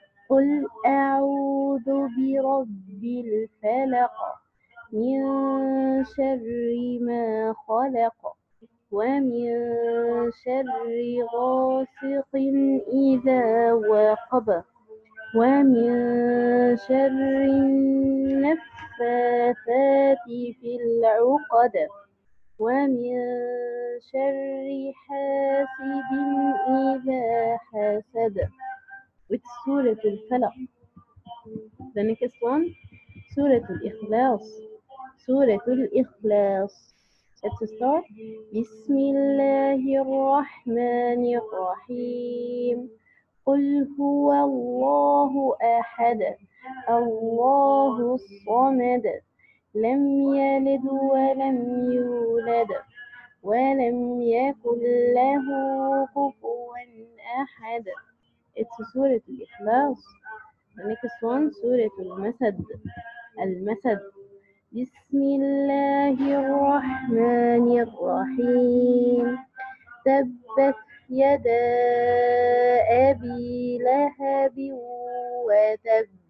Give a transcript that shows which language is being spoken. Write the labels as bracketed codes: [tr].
[ar] قل أعوذ برب الفلق من شر ما خلق ومن شر غاسق إذا وقب ومن شر النفاثات في العقد ومن شر حاسد إذا حسد. [en] With سورة الفلق. The next one, سورة الإخلاص. سورة الإخلاص. Let's start. [ar] بسم الله الرحمن الرحيم. قل هو الله أحد. الله الصمد. لم يلد ولم يولد ولم يكن له كفوا أحد. [en] It's سورة الإخلاص. The next one, سورة المسد. [ar] المسد. بسم الله الرحمن الرحيم. تبت يدا أبي لهب وتب.